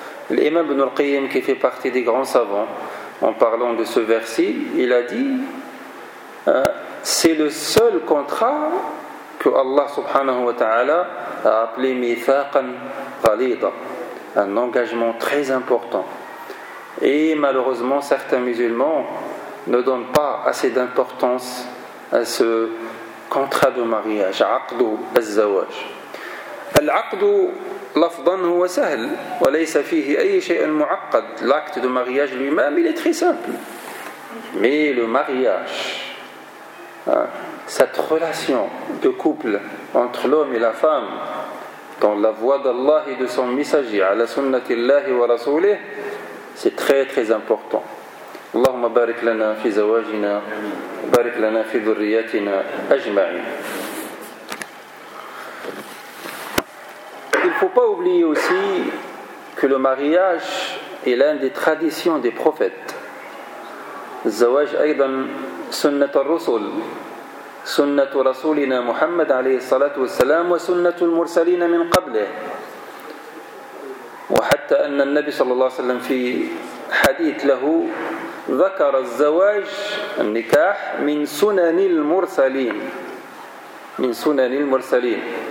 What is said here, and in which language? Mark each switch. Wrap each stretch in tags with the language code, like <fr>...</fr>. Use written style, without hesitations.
<fr>L'imam Ibn al-Qayyim, qui fait partie des grands savants, en parlant de ce verset, il a dit c'est le seul contrat que Allah subhanahu wa ta'ala a appelé mithaqan ghalida, un engagement très important. Et malheureusement, certains musulmans ne donne pas assez d'importance à ce contrat de mariage,</fr> <ar>عقد الزواج. العقد لفظا هو سهل وليس فيه أي شيء معقد.</ar> <fr>L'acte de mariage lui-même, il est très simple. Mais le mariage, cette relation de couple entre l'homme et la femme dans la voie d'Allah et de son messager, à la sunnah d'Allah et de Rasoulih, c'est très très important.</fr> <ar>اللهم بارك لنا في زواجنا بارك لنا في ذرياتنا أجمعين.</ar> <fr>Il ne faut pas oublier aussi que le mariage est l'un des traditions des prophètes.</fr> <ar>الزواج أيضا سنة الرسل. سنة رسولنا محمد عليه الصلاة والسلام وسنة المرسلين من قبله. وحتى أن النبي صلى الله عليه وسلم في حديث له ذكر الزواج النكاح من سنن المرسلين، من سنن المرسلين.</ar>